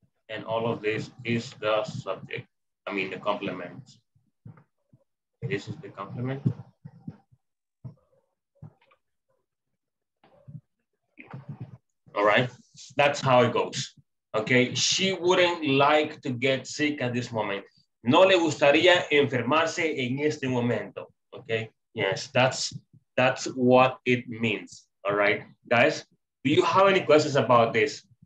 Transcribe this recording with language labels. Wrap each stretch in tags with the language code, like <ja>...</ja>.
<en>And all of this is the subject. I mean, the complement. This is the complement. All right, that's how it goes. Okay, she wouldn't like to get sick at this moment.</en> <es>No le gustaría enfermarse en este momento, okay?</es> <en>Yes, that's what it means, all right? Guys, do you have any questions about this?</en>